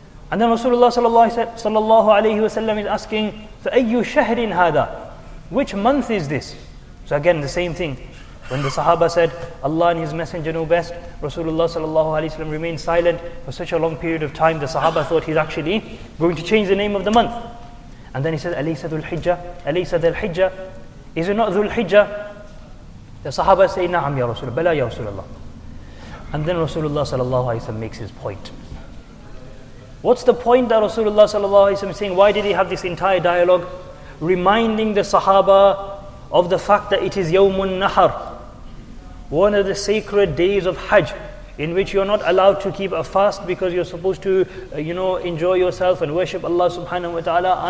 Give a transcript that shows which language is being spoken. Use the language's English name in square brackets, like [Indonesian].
[English] And then Rasulullah sallallahu alayhi wa sallam is asking, [Arabic] فَأَيُّ شَهْرٍ هَذَا, [English] which month is this? So again, the same thing. When the Sahaba said, Allah and His Messenger know best, Rasulullah sallallahu alayhi wa sallam remained silent for such a long period of time, the Sahaba thought he's actually going to change the name of the month. And then he said, [Arabic] أَلَيْسَ ذُلْحِجَّةَ, أَلَيْسَ ذُلْحِجَّةَ, [English] is it not ذُلْحِجَّةَ? The Sahaba say, [Arabic] نَعَمْ يَا رَسُولَ, بَلَا يَا رَسُولَ اللَّهِ. [English] And then Rasulullah sallallahu alayhi wa sallam makes his point. What's the point that Rasulullah sallallahu alayhi wa sallam is saying? Why did he have this entire dialogue? Reminding the Sahaba of the fact that it is يَوْمُ النَّحَر, one of the sacred days of Hajj, in which you're not allowed to keep a fast because you're supposed to, enjoy yourself and worship Allah subhanahu wa ta'ala.